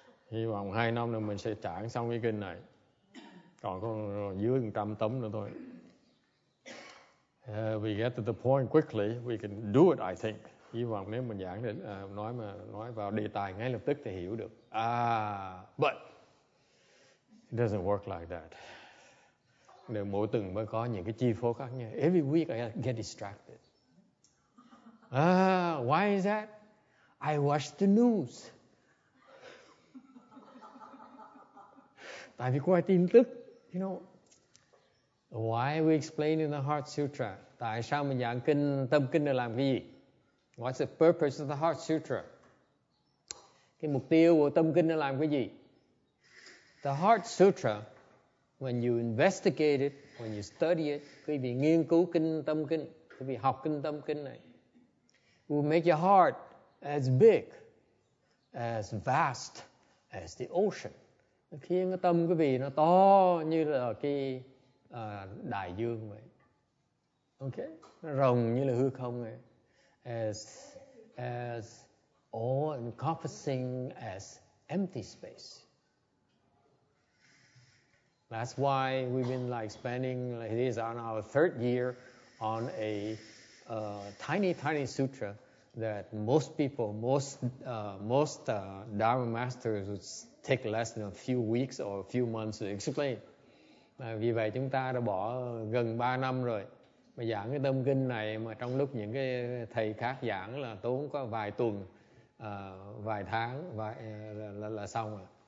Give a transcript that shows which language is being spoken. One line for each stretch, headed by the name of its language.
Vietnamese: Hy vọng hai năm nữa mình sẽ trảng xong cái kinh này. Còn có dưới 100 tấm nữa thôi.
English: We get to the point quickly, we can do it, I think.
Vietnamese: Hy vọng nếu mình giảng nói vào đề tài ngay lập tức thì hiểu được.
English: But it doesn't work like that.
Vietnamese: Nếu mỗi tuần mới có những cái chi phối khác nhau.
English: Every week I get distracted. Why is that? I watch the news.
Vietnamese: Tại vì coi tin tức,
English: you know. Why we explain in the Heart Sutra?
Vietnamese: Tại sao mình giảng kinh tâm kinh để làm cái gì?
English: What's the purpose of the Heart Sutra?
Vietnamese: Cái mục tiêu của tâm kinh để làm cái gì?
English: The Heart Sutra, when you investigate it, when you study it,
Vietnamese: quý vị nghiên cứu kinh tâm kinh, quý vị học kinh tâm kinh này,
English: will make your heart as big, as vast as the ocean.
Vietnamese: Khiến cái tâm quý vị nó to như là cái đại dương vậy. Okay, nó rộng như là hư không vậy.
English: As all encompassing as empty space. That's why we've been like spending like this on our third year on a tiny sutra that most people, most Dharma masters would take less than a few weeks or a few months to explain.
Vietnamese: À, vì vậy chúng ta đã bỏ gần 3 năm rồi mà giảng cái tâm kinh này mà trong lúc những cái thầy khác giảng là tốn có vài tuần, vài tháng, vài là xong rồi.